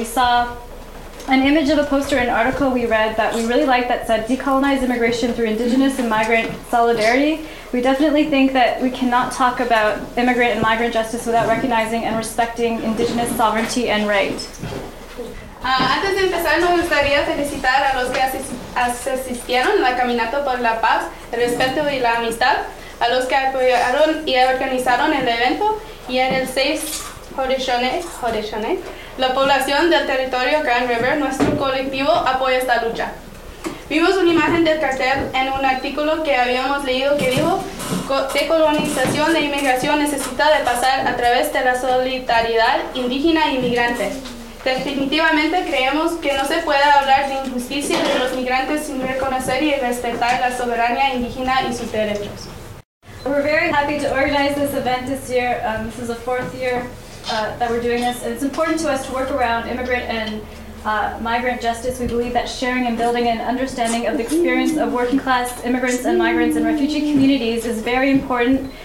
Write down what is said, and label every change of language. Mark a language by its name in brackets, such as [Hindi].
[English] We saw an image of a poster, an article we read that we really liked that said, "Decolonize immigration through Indigenous and migrant solidarity." We definitely think that we cannot talk about immigrant and migrant justice without recognizing and respecting Indigenous sovereignty and right. [Spanish] Antes de empezar, nos gustaría felicitar a los que asistieron a la caminata por la paz, el respeto y la amistad, a los que apoyaron y organizaron el evento, y en el 6 Haudenosaunee, la población del territorio Grand River, nuestro colectivo apoya esta lucha. Vimos una imagen del cartel en un artículo que habíamos leído que dijo decolonización e inmigración necesita de pasar a través de la solidaridad indígena e inmigrante. Definitivamente creemos que no se puede hablar de injusticia de los migrantes sin reconocer y respetar la soberanía indígena y sus derechos. [English] We're very happy to organize this event this year. This is the 4th year that we're doing this, and it's important to us to work around immigrant and migrant justice. We believe that sharing and building an understanding of the experience of working class immigrants and migrants and refugee communities is very important.